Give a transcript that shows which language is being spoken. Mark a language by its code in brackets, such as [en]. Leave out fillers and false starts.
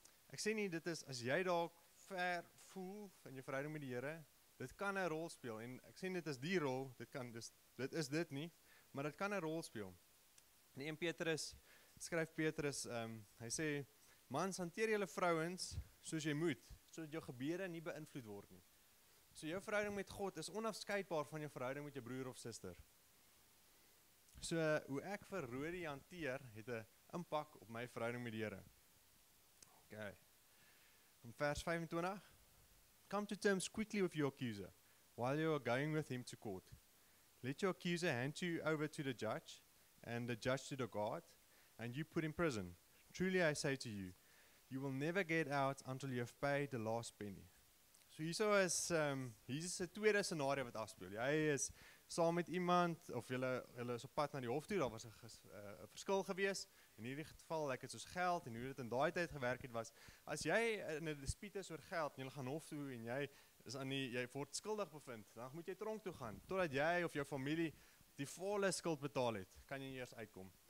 [af] Ek sê nie dit is as jy dalk ver voel in jou verhouding met die Here, dit kan 'n rol speel, en ek sê dit is die rol, dit is nie, maar dit kan 'n rol speel. In 1 Petrus skryf Petrus, hy sê, mans, hanteer julle vrouens soos jy moet, sodat jou gebede nie beïnvloed word nie. So jou verhouding met God is onafskeidbaar van jou verhouding met jou broer of suster. So hoe ek vir Rodi hanteer, het 'n impak op my verhouding met die Here. Okay. In vers 25, [en] come to terms quickly with your accuser, while you are going with him to court. Let your accuser hand you over to the judge, and the judge to the guard, and you put in prison. Truly I say to you, you will never get out until you have paid the last penny. [af] So hierso is Jesus se tweede scenario wat afspeel. Jy is saam met iemand, of jy is op pad na die hof toe, daar was 'n verskil gewees, in hierdie geval lyk dit soos geld, en hoe dit in daai tyd gewerk het was, as jy in 'n dispuut is oor geld, en jy gaan hof toe, en jy word skuldig bevind, dan moet jy tronk toe gaan, totdat jy of jou familie die volle skuld betaal het, kan jy eers uitkom.